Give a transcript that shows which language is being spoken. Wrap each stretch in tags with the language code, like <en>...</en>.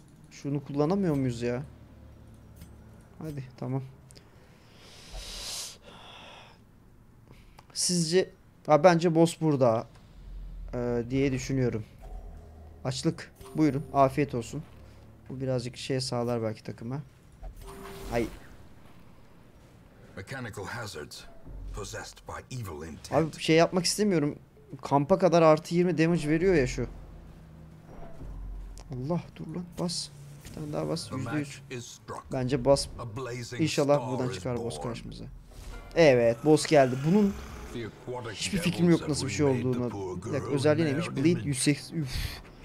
<tr>Şunu kullanamıyor muyuz ya? Hadi tamam. Sizce abi bence boss burada diye düşünüyorum. Açlık. Buyurun. Afiyet olsun. Bu birazcık şey sağlar belki takıma. Ay.</tr> <en>Mechanical hazards possessed by evil intent.</en> <tr>Abi şey yapmak istemiyorum. Kampa kadar artı 20 damage veriyor ya şu. Allah dur lan bas. Bir tane daha bas. %3. Bence bas. İnşallah buradan çıkar boss karşımıza. Evet boss geldi. Bunun hiçbir fikrim yok nasıl bir şey olduğunu. Bak özelliği neymiş? Bleed 108. Üff.</tr>